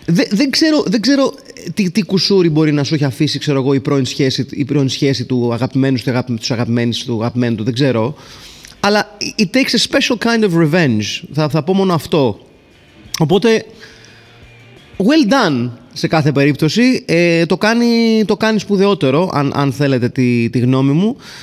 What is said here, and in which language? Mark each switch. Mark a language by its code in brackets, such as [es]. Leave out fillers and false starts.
[el] Δεν ξέρω τι κουσούρι μπορεί να σου έχει αφήσει, ξέρω εγώ, η πρώην σχέση του αγαπημένου του αγαπημένου του, δεν ξέρω. Αλλά [en] it takes a special kind of revenge. [el] Θα πω μόνο αυτό. Οπότε, [en] well done [el] σε κάθε περίπτωση. Το κάνει σπουδαιότερο, αν θέλετε τη γνώμη μου.